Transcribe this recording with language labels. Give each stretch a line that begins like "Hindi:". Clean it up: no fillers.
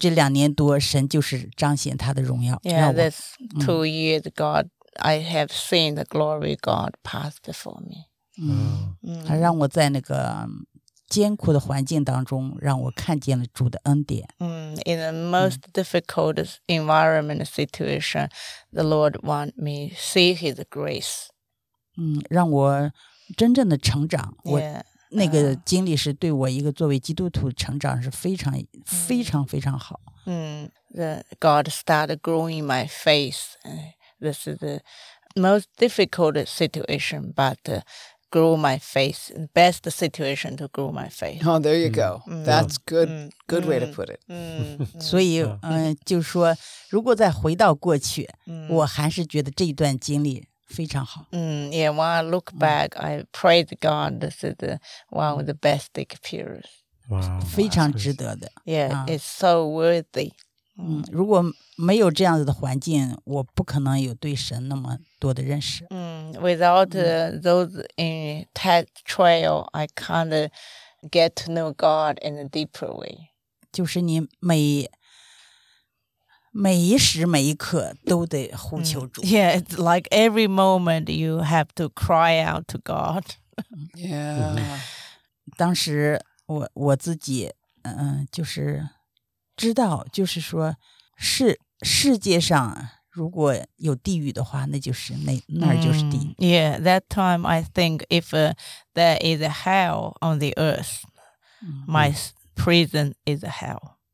English: This 2 years, God, I have seen the glory God pass before me.
Chinese: 他让我在那个艰苦的环境当中，让我看见了主的恩典。
English: In the most difficult environment situation, the Lord want me see His grace.
Chinese: 让我真正的成长。
English: Yeah,
Chinese: 我那个经历是对我一个作为基督徒成长是非常非常非常好。
English: God started growing my faith. This is the most difficult situation, but grow my faith, best situation to grow my faith. Oh, there you go. That's good way to put it.
Chinese: 所以就说如果再回到过去，我还是觉得这一段经历非常好。
English: Yeah, when I look back, I praise God, this is one of the best experiences. Wow,
Chinese: 非常值得的。
English: Yeah, it's so worthy.
Chinese: 如果没有这样子的环境，我不可能有对神那么多的认识。
English: Without those intense trial, I can't get to know God in a deeper way.
Chinese: 就是你每一时每一刻都得呼求主。
English: Yeah, it's like every moment you have to cry out to God. Yeah.
Chinese: 当时我自己就是知道，就是说是世界上如果有地狱的话，那就是那就是地狱。
English: Yeah, that time I think if there is a hell on the earth, my prison is a hell.